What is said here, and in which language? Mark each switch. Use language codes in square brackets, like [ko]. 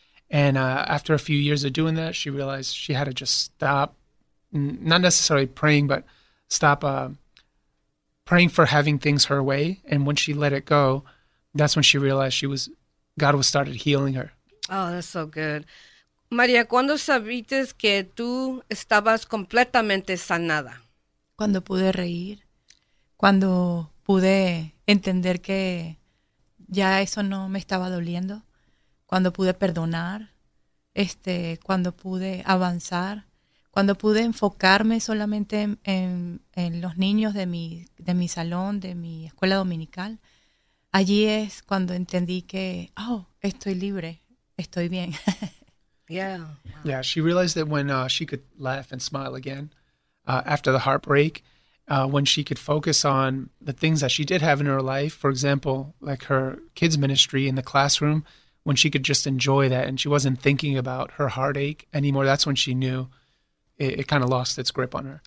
[en] And after a few years of doing that, she realized she had to just stop, not necessarily praying, but stop praying for having things her way. And when she let it go, that's when she realized God was started healing her. Oh, that's so good. [es] María, ¿cuándo sabiste que tú estabas completamente sanada? Cuando pude reír. Cuando pude entender que ya eso no me estaba doliendo. Cuando pude perdonar. Cuando pude avanzar. Cuando pude enfocarme solamente en los niños de mi salón, de mi escuela dominical. Allí es cuando entendí que, oh, estoy libre, estoy bien. [en] Yeah. Yeah, she realized that when she could laugh and smile again after the heartbreak, when she could focus on the things that she did have in her life, for example, like her kids' ministry in the classroom, when she could just enjoy that and she wasn't thinking about her heartache anymore, that's when she knew it kind of lost its grip on her.